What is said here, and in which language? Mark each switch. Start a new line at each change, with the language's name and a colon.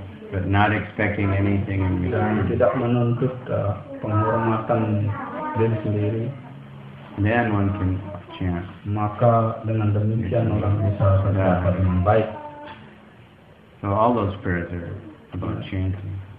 English: But not expecting anything in return.
Indonesian: Dan tidak menuntut penghormatan diri sendiri.
English: Then one can chant.
Indonesian: Maka dengan demikian orang bisa berjaya dengan baik.
English: So all those prayers are about chanting.